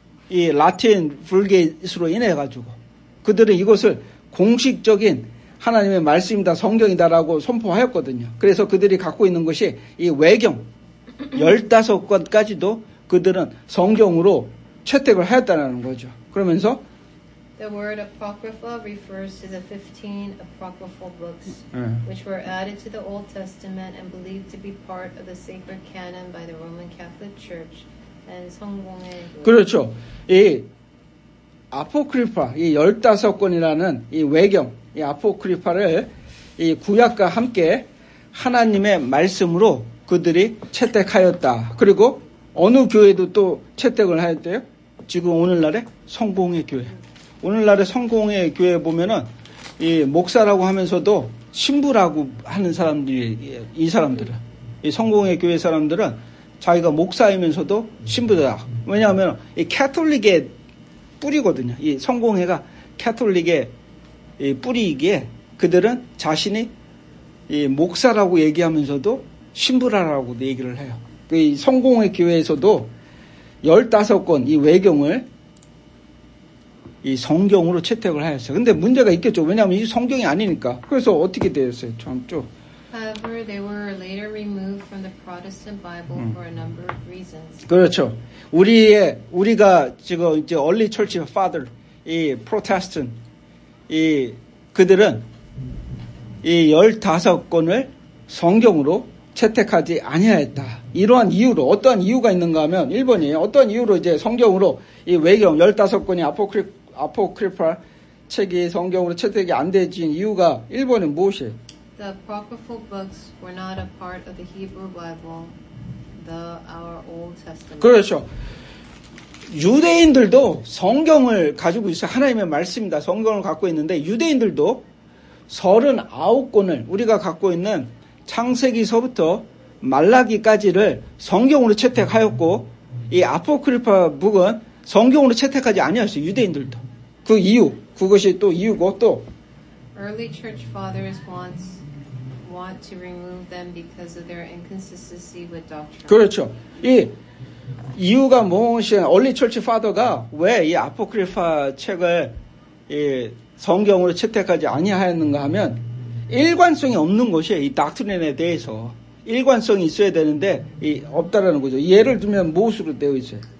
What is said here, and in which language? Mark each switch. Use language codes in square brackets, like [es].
[ko] 이 라틴 불게이트로 인해가지고. 그들은 이것을 공식적인 하나님의 말씀이다, 성경이다라고 선포하였거든요. 그래서 그들이 갖고 있는 것이 이 외경 15권까지도 그들은 성경으로 채택을 하였다는 거죠. 그러면서 [en] The word apocrypha refers to the 15 apocryphal books, which were added to the Old Testament and believed to be part of the sacred canon by the Roman Catholic Church. [ko] And 성공의 그렇죠. 이 아포크리파 이 15권이라는 이 외경 이 아포크리파를 이 구약과 함께 하나님의 말씀으로 그들이 채택하였다. 그리고 어느 교회도 또 채택을 하였대요. 지금 오늘날에 성공의 교회. 오늘날에 성공의 교회 보면은 이 목사라고 하면서도 신부라고 하는 사람들이 이 사람들은 이 성공의 교회 사람들은 자기가 목사이면서도 신부다. 왜냐하면 이 캐톨릭의 뿌리거든요. 이 성공회가 캐톨릭의 이 뿌리이기에 그들은 자신이 이 목사라고 얘기하면서도 신부라라고 얘기를 해요. 이 성공회 교회에서도 15권 이 외경을 이 성경으로 채택을 하였어요. 근데 문제가 있겠죠. 왜냐하면 이 성경이 아니니까. 그래서 어떻게 되었어요? 전쪽. [en] However, they were later removed from the Protestant Bible for a number of reasons. [ko] 그렇죠. 우리의 우리가 지금 이제 Early Church Father 이 Protestant 이 그들은 이 15권을 성경으로 채택하지 아니하였다. 이러한 이유로 어떠한 이유가 있는가 하면 1번이에요. 어떠한 이유로 이제 성경으로 이 외경 15권이 아포크리파 책이 성경으로 채택이 안 되진 이유가 1번은 무엇이에요? [en] The apocryphal books were not a part of the Hebrew Bible, our Old Testament. [ko] 그렇죠. 유대인들도 성경을 가지고 있어요. 하나님의 말씀입니다. 성경을 갖고 있는데 유대인들도 39권을 우리가 갖고 있는 창세기서부터 말라기까지를 성경으로 채택하였고 이 아포크리파 북은 성경으로 채택하지 아니하였어요. 유대인들도. 그 이유, 그것이 또 이유고 또 [en] Early church fathers want to remove them because of their inconsistency with doctrine. [ko] 그렇죠. 이 이유가 무엇이냐? Early church father가 왜 이 아포크리파 책을 이 성경으로 채택하지 아니하였는가 하면 일관성이 없는 것이에요. 이 닥트린에 대해서. 일관성이 있어야 되는데 이 없다라는 거죠. 예를 들면 무엇으로 되어 있어요?